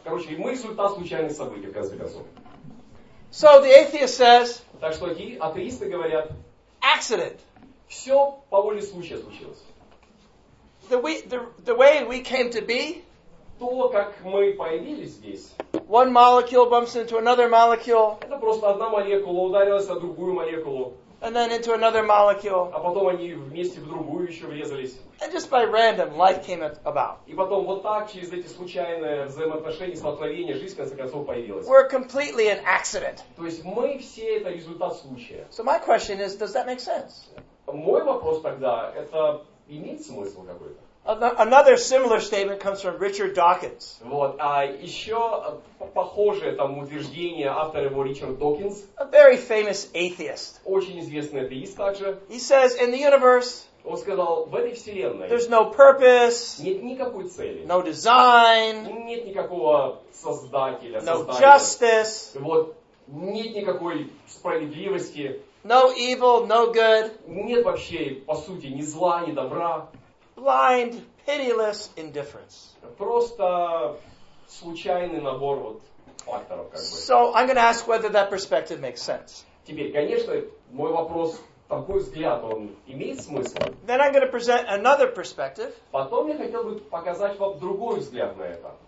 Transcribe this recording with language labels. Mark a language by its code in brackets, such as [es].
[ru] Короче, мы результат случайных событий, в конце концов. [en] So the atheist says, [ru] так что атеисты говорят, [en] accident. [ru] Все по воле случая случилось. [en] The way we came to be, [ru] то, как мы появились здесь, [en] one molecule bumps into another molecule, [ru] это просто одна молекула ударилась о другую молекулу, [en] and then into another molecule. [ru] А потом они вместе в другую еще врезались. [en] And just by random, life came about. [ru] И потом вот так, через эти случайные взаимоотношения, столкновения, жизнь, в конце концов, появилась. [en] We're completely an accident. [ru] То есть мы все — это результат случая. [en] So my question is, does that make sense? [ru] Мой вопрос тогда — это имеет смысл какой-то? [en] Another similar statement comes from Richard Dawkins. [ru] Вот, а еще похожее там утверждение автора его — Ричард Докинс. [en] A very famous atheist. [ru] Очень известный атеист также. [en] He says, in the universe, [ru] Он сказал, в этой вселенной [en] there's no purpose, [ru] нет никакой цели, [en] no design, [ru] нет никакого создателя, [en] no justice, [ru] вот, нет никакой справедливости, [en] no evil, no good, [ru] нет вообще, по сути, ни зла, ни добра. [en] Blind, pitiless indifference. [ru] Просто случайный набор вот факторов, как бы. [en] So I'm going to ask whether that perspective makes sense. [ru] Теперь, конечно, мой вопрос, такой взгляд, он имеет смысл? [en] Then I'm going to present another perspective. [ru] Потом я хотел бы показать вам другой взгляд на это.